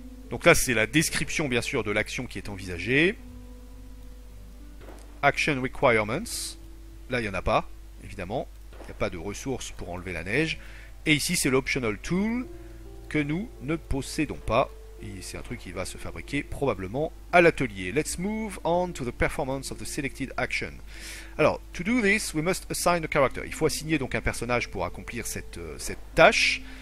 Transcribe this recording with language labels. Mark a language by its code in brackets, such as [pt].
[fr] Donc là, c'est la description, bien sûr, de l'action qui est envisagée. Action requirements. Là, il n'y en a pas, évidemment. Il n'y a pas de ressources pour enlever la neige. Et ici, c'est l'optional tool que nous ne possédons pas. C'est un truc qui va se fabriquer probablement à l'atelier. [en] Let's move on to the performance of the selected action. Alors, to do this, we must assign a character. [fr] Il faut assigner donc un personnage pour accomplir cette tâche.